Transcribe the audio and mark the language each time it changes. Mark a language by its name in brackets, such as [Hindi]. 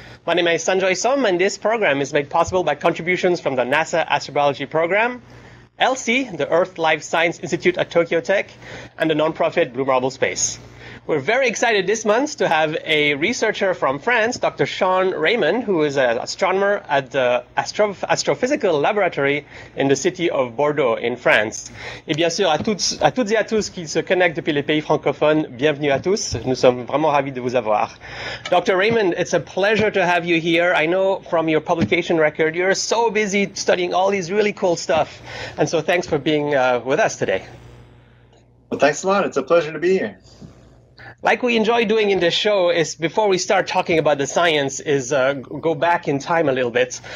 [English] My name is Sanjoy, and this program is made possible by contributions from the NASA Astrobiology Program, ELSI, the Earth Life Science Institute at Tokyo Tech, and the nonprofit Blue Marble Space. We're very excited this month to have a researcher from France, Dr. Sean Raymond, who is an astronomer at the Astrophysical Laboratory in the city of Bordeaux in France. [French] Et bien sûr, à toutes et à tous qui se connectent depuis les pays francophones, bienvenue à tous. Nous sommes vraiment ravis de vous avoir. [English] Dr. Raymond, it's a pleasure to have you here. I know from your publication record, you're so busy studying all these really cool stuff. And so thanks for being with us today. Well, thanks a lot. It's a pleasure to be here. Like we enjoy doing in this show, is before we start talking about the science, is go back in time a little bit.